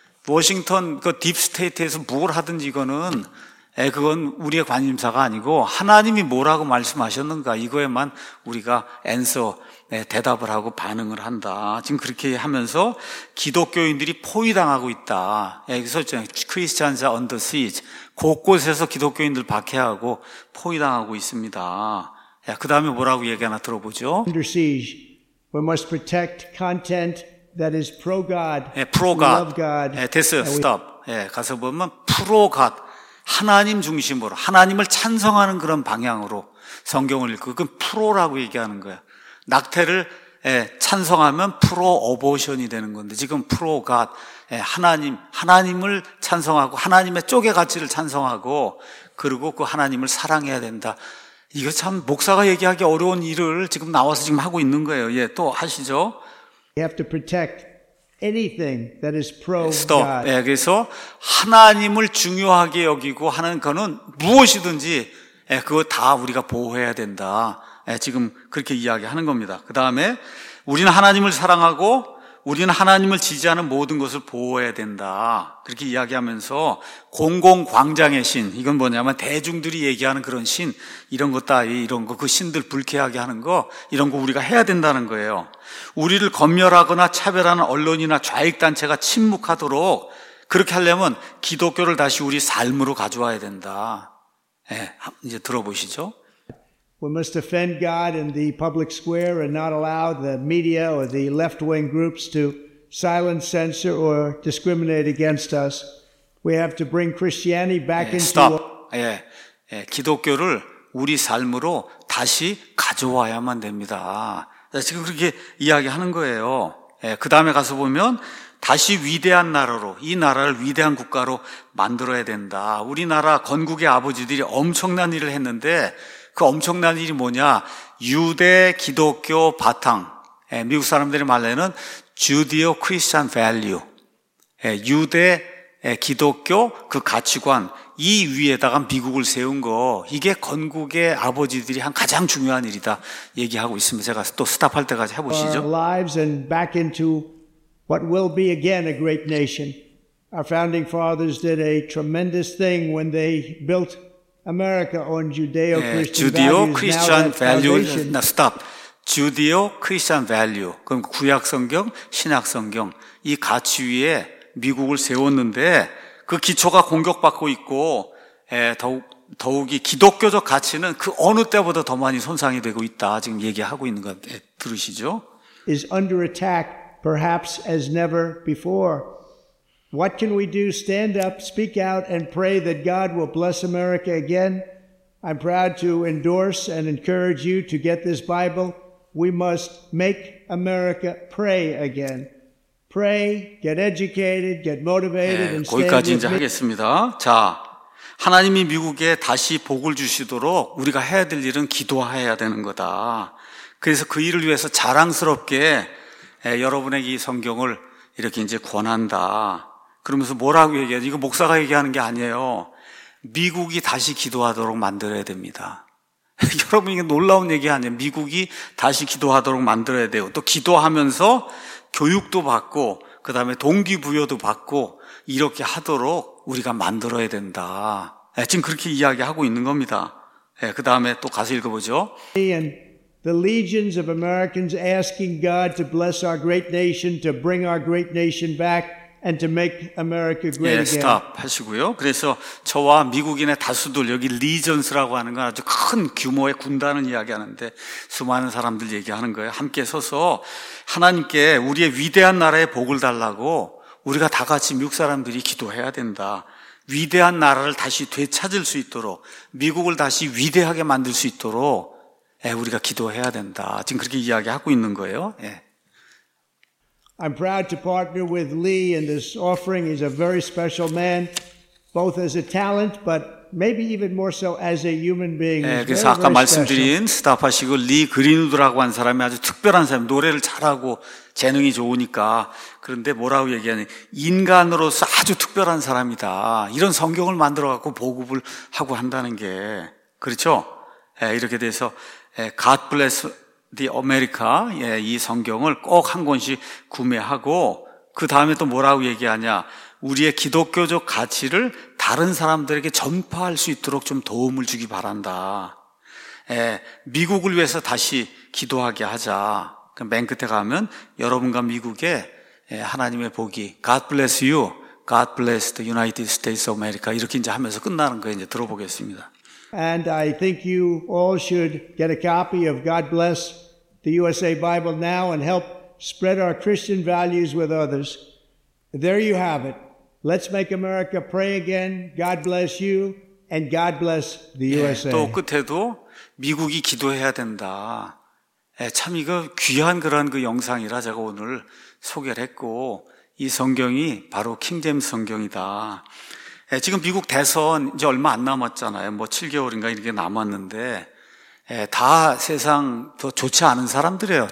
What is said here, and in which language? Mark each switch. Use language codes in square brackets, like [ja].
[ko] 워싱턴 그 딥스테이트에서 뭘 하든지 이거는 그건 우리의 관심사가 아니고 하나님이 뭐라고 말씀하셨는가 이거에만 우리가 answer 대답을 하고 반응을 한다. 지금 그렇게 하면서 기독교인들이 포위당하고 있다. 여기서 [en] Christians are under siege. [ko] 곳곳에서 기독교인들 박해하고 포위당하고 있습니다. 그 다음에 뭐라고 얘기하나 들어보죠. [en] Under siege. We must protect content that is pro-God. Pro-God. Love God. Stop. [ko] 가서 보면 pro-God. 하나님 중심으로 하나님을 찬성하는 그런 방향으로 성경을 읽고 그건 프로라고 얘기하는 거야. 낙태를 찬성하면 프로 어보션이 되는 건데 지금 프로 갓 하나님을 찬성하고 하나님의 쪽의 가치를 찬성하고 그리고 그 하나님을 사랑해야 된다. 이거 참 목사가 얘기하기 어려운 일을 지금 나와서 지금 하고 있는 거예요. 예, 또 하시죠. [en] You have to protect anything that is pro God. [ko] 그래서 하나님을 중요하게 여기고 하는 거는 무엇이든지 그거 다 우리가 보호해야 된다. 지금 그렇게 이야기하는 겁니다. 그 다음에 우리는 하나님을 사랑하고 우리는 하나님을 지지하는 모든 것을 보호해야 된다. 그렇게 이야기하면서 공공광장의 신, 이건 뭐냐면 대중들이 얘기하는 그런 신, 이런 것 따위, 이런 거, 그 신들 불쾌하게 하는 거, 이런 거 우리가 해야 된다는 거예요. 우리를 검열하거나 차별하는 언론이나 좌익단체가 침묵하도록 그렇게 하려면 기독교를 다시 우리 삶으로 가져와야 된다. 이제 들어보시죠. [en] We must defend God in the public square and not allow the media or the left-wing groups to silence, censor, or discriminate against us. We have to bring Christianity back into our... [ko] 기독교를 우리 삶으로 다시 가져와야만 됩니다. 지금 그렇게 이야기하는 거예요. 그 다음에 가서 보면 다시 위대한 나라로 이 나라를 위대한 국가로 만들어야 된다. 우리나라 건국의 아버지들이 엄청난 일을 했는데 그 엄청난 일이 뭐냐? 유대 기독교 바탕. 미국 사람들이 말하는 Judeo Christian value. 유대 기독교 그 가치관 이 위에다가 미국을 세운 거. 이게 건국의 아버지들이 한 가장 중요한 일이다 얘기하고 있습니다. 제가 또 스탑할 때까지 해 보시죠. [en] Lives and back into what will be again a great nation. Our founding fathers did a tremendous thing when they built America on Judeo-Christian values. Now stop. Judeo-Christian value. [ko] 그럼 구약 성경, 신약 성경 이 가치 위에 미국을 세웠는데 그 기초가 공격받고 있고 더욱이 기독교적 가치는 그 어느 때보다 더 많이 손상이 되고 있다. 지금 얘기하고 있는 것 들으시죠? [en] Is under attack perhaps as never before. What can we do? Stand up, speak out, and pray that God will bless America again. I'm proud to endorse and encourage you to get this Bible. We must make America pray again. Pray, get educated, get motivated, and stand with me. [ko] 거기까지 이제 하겠습니다. 자, 하나님이 미국에 다시 복을 주시도록 우리가 해야 될 일은 기도해야 되는 거다. 그래서 그 일을 위해서 자랑스럽게 여러분에게 이 성경을 이렇게 이제 권한다. 그러면서 뭐라고 얘기하지? 이거 목사가 얘기하는 게 아니에요. 미국이 다시 기도하도록 만들어야 됩니다. 여러분 이게 놀라운 얘기 아니에요. 미국이 다시 기도하도록 만들어야 돼요. 또 기도하면서 교육도 받고 그다음에 동기부여도 받고 이렇게 하도록 우리가 만들어야 된다. 지금 그렇게 이야기하고 있는 겁니다. 그다음에 또 가서 읽어보죠. [en] The legions of Americans asking God to bless our great nation, to bring our great nation back. And to make America great again. [ko] 스탑 하시고요. 그래서 저와 미국인의 다수들 여기 리전스라고 하는 건 아주 큰 규모의 군단을 이야기하는데 수많은 사람들 얘기하는 거예요. 함께 서서 하나님께 우리의 위대한 나라의 복을 달라고 우리가 다 같이 미국 사람들이 기도해야 된다. 위대한 나라를 다시 되찾을 수 있도록 미국을 다시 위대하게 만들 수 있도록 우리가 기도해야 된다. 지금 그렇게 이야기하고 있는 거예요. [en] I'm proud to partner with Lee in this offering. He's a very special man, both as a talent, but maybe even more so as a human being. [ko] 예, 그래서 very, 아까 very 말씀드린 스타파시고 리 그린우드라고 한 사람이 아주 특별한 사람, 노래를 잘하고 재능이 좋으니까. 그런데 뭐라고 얘기하니, 인간으로서 아주 특별한 사람이다. 이런 성경을 만들어 갖고 보급을 하고 한다는 게 그렇죠? 예, 이렇게 돼서 예, [en] God bless the America. [ko] 예, 이 성경을 꼭 한 권씩 구매하고 그 다음에 또 뭐라고 얘기하냐? 우리의 기독교적 가치를 다른 사람들에게 전파할 수 있도록 좀 도움을 주기 바란다. 예, 미국을 위해서 다시 기도하게 하자. 그럼 맨 끝에 가면 여러분과 미국에 예, 하나님의 복이 [en] God bless you, God bless the United States of America [ko] 이렇게 이제 하면서 끝나는 거 이제 들어보겠습니다. [en] And I think you all should get a copy of God Bless the USA Bible now and help spread our Christian values with others. There you have it. Let's make America pray again. God bless you and God bless the USA. [ko] 예, 또 끝에도 미국이 기도해야 된다. 예, 참 이거 귀한 그런 그 영상이라 제가 오늘 소개를 했고 이 성경이 바로 킹제임스 성경이다. 예, 지금 미국 대선 이제 얼마 안 남았잖아요. 뭐 7개월인가 이렇게 남았는데 예, 다 세상 더 좋지 않은 사람들이에요.